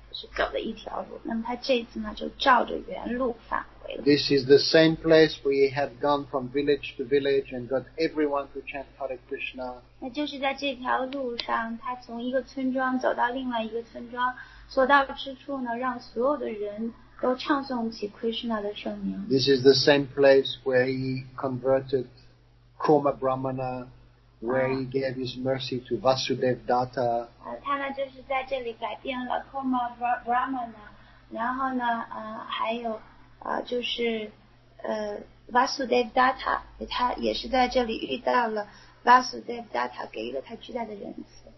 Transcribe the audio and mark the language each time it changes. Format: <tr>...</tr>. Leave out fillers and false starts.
<zh>是走了一条路，那么他这次呢就照着原路返回了。</zh> <en>This is the same place where he had gone from village to village and got everyone to chant Hare Krishna.</en> <zh>那就是在这条路上，他从一个村庄走到另外一个村庄，所到之处呢，让所有的人都唱诵起 Krishna 的圣名。</zh> <en>This is the same place where he converted Kurma Brahmana. Where he gave his mercy to Vasudev Datta.</en> <zh>他呢就是在这里改变了 Kurma Brahmana， 然后呢，还有，就是，Vasudev Datta， 他也是在这里遇到了 Vasudev Datta， 给予了他巨大的仁慈。</zh>